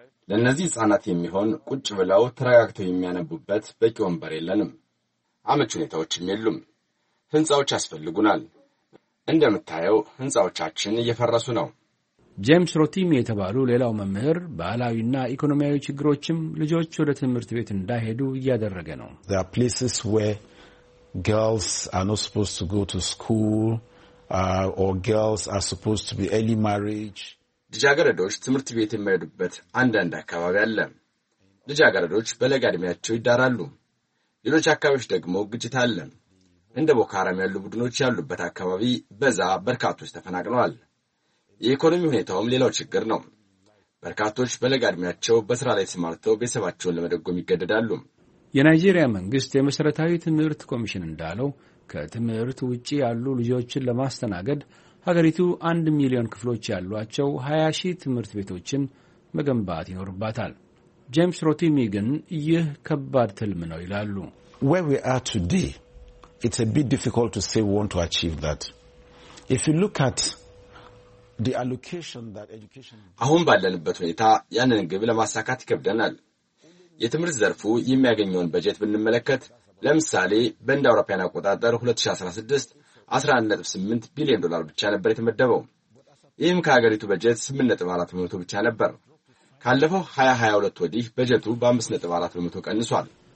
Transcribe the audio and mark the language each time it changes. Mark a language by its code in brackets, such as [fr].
[am] ለእነዚህ ህጻናት የሚሆን ቁጭ ብለው ተረጋግተው የሚያነቡበት በቂ ወንበር የለንም። አመች ሁኔታዎችም የሉም። ህንፃዎች ያስፈልጉናል። እንደምታየው ህንፃዎቻችን እየፈረሱ ነው። ጄምስ ሮቲም የተባሉ ሌላው መምህር ባህላዊና ኢኮኖሚያዊ ችግሮችም ልጆች ወደ ትምህርት ቤት እንዳይሄዱ እያደረገ ነው። [en] There are places where girls are not supposed to go to school or girls are supposed to be early marriage. [am] ልጃገረዶች ትምህርት ቤት የማይሄዱበት አንዳንድ አካባቢ አለ። ልጃገረዶች በለጋ ዕድሜያቸው ይዳራሉ። ሌሎች አካባቢዎች ደግሞ ግጭት አለ። እንደ ቦካራም ያሉ ቡድኖች ያሉበት አካባቢ በዛ በርካቶች ተፈናቅለዋል። የኢኮኖሚ ሁኔታውም ሌላው ችግር ነው። በርካቶች በለጋ ዕድሜያቸው በስራ ላይ ተሰማርተው ቤተሰባቸውን ለመደጎም ይገደዳሉ። የናይጄሪያ መንግስት የመሰረታዊ ትምህርት ኮሚሽን እንዳለው ከትምህርት ውጪ ያሉ ልጆችን ለማስተናገድ ሀገሪቱ 1 ሚሊዮን ክፍሎች ያሏቸው 20 ሺህ ትምህርት ቤቶችን መገንባት ይኖርባታል። ጄምስ ሮቲሚ ግን ይህ ከባድ ትልም ነው ይላሉ። [en] Where we are today, it's a bit difficult to say we want to achieve that. If you look at the allocation that education [am] አሁን ባለንበት ሁኔታ ያንን ግብ ለማሳካት ይከብደናል። የትምህርት ዘርፉ የሚያገኘውን በጀት ብንመለከት ለምሳሌ በእንደ አውሮፓውያን አቆጣጠር 2016 18 ቢሊዮን ዶላር ብቻ ነበር የተመደበው። ይህም ከሀገሪቱ በጀት 8.4% ብቻ ነበር። ካለፈው 2022 ወዲህ በጀቱ በ5.4% ቀንሷል።